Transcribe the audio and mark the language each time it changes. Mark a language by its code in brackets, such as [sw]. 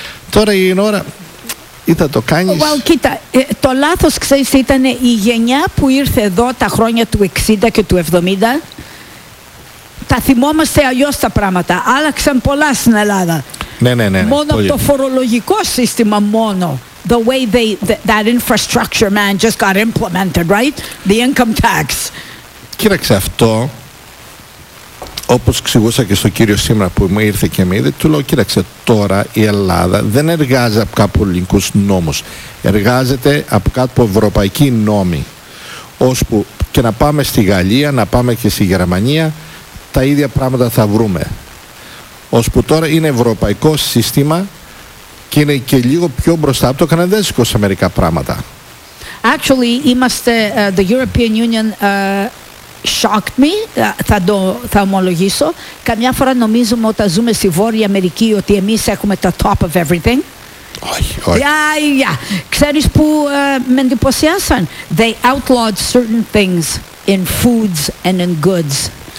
[el] Τώρα είναι ώρα, ή θα το κάνεις. Well, κοίτα, το λάθος, ξέρεις, ήταν η γενιά που ήρθε εδώ τα χρόνια του 60 και του 70. Τα θυμόμαστε αλλιώς τα πράγματα. Άλλαξαν πολλά στην Ελλάδα. Ναι. Μόνο το φορολογικό σύστημα, μόνο. [en] The way that infrastructure man just got implemented, right? The income tax. [el] Κοίταξε αυτό. όπως εξηγούσα και στο κύριο σήμερα που μου ήρθε και με είδε, του λέω, κοίταξε, τώρα η Ελλάδα δεν εργάζεται από κάποιους ελληνικούς νόμους. Εργάζεται από κάποιους ευρωπαϊκοί νόμοι. Ώσπου και να πάμε στη Γαλλία, να πάμε και στη Γερμανία, τα ίδια πράγματα θα βρούμε. Ώσπου τώρα είναι ευρωπαϊκό σύστημα και είναι και λίγο πιο μπροστά από το καναδέζικο σε μερικά πράγματα. [en] Actually, [el] είμαστε, [en] the European Union shocked me, [el] θα το θα ομολογήσω. Καμιά φορά νομίζουμε όταν ζούμε στη Βόρεια Αμερική ότι εμείς έχουμε τα [en] top of everything. [el] Όχι, όχι. Ξέρεις που με εντυπωσιάσαν? [en] They outlawed certain things in foods and in goods.